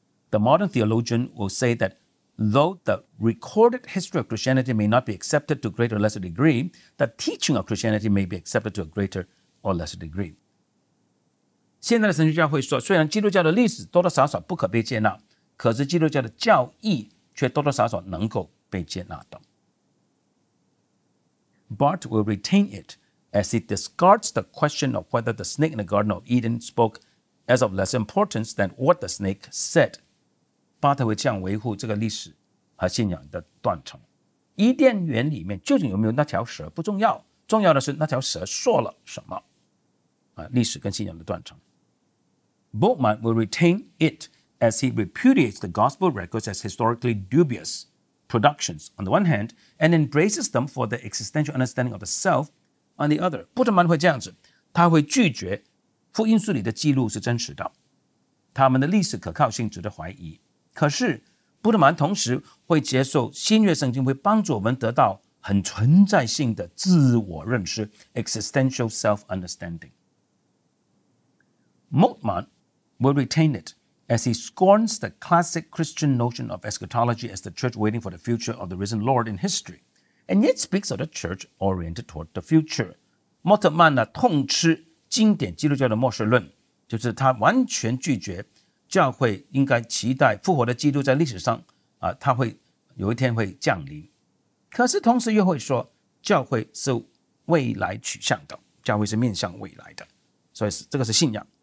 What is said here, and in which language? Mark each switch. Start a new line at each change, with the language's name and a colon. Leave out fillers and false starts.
English: The modern theologian will say that though the recorded history of Christianity may not be accepted to a greater or lesser degree, the teaching of Christianity may be accepted to a greater or lesser degree.
Chinese: 现在的神学家会说，虽然基督教的历史多多少少不可被接纳，可是基督教的教义却多多少少能够被接纳的。
English: Bart will retain it. As he discards the question of whether the snake in the Garden of Eden spoke as of less importance than what the snake said.
Chinese: 巴特会这样维护这个历史和信仰的断层。伊甸园里面究竟有没有那条蛇不重要，重要的是那条蛇说了什么。历史跟信仰的断层。
English: Bultmann will retain it as he repudiates the gospel records as historically dubious productions on the one hand and embraces them for the existential understanding of the self,On the other,
Chinese: 布特曼会这样子，他会拒绝福音书里的记录是真实的，他们的历史可靠性值得怀疑。可是布特曼同时会接受新约圣经会帮助我们得到很存在性的自我认识
English: existential self-understanding. Moltmann will retain it as he scorns the classic Christian notion of eschatology as the church waiting for the future of the risen Lord in history. And yet speaks of the church oriented toward the future.
Chinese: 莫特曼呢，痛斥经典基督教的末世论，就是他完全拒绝教会应该期待复活的基督在历史上他会有一天会降临。可是同时又会说，教会是未来取向的，教会是面向未来的，所以这个是信仰。